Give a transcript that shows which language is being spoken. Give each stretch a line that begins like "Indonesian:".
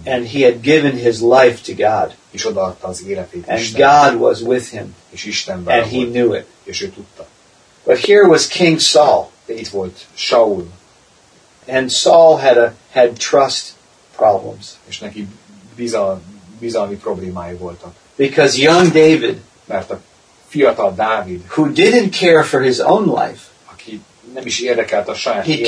English: And he had given his life to God.
Hungarian: És odaadta az életét Istennek.
English: And God was with him.
Hungarian: És Isten vele.
English: And he knew it.
Hungarian: És ő tudta.
English: But here was King Saul.
Hungarian: De itt volt Saul.
English: And Saul had trust problems.
Hungarian: És neki bizalmi problémái voltak.
English: Because young David.
Hungarian: mert a fiatal Dávid,
English: who didn't care for his own life,
Hungarian: aki nem is érdekelt a saját életét,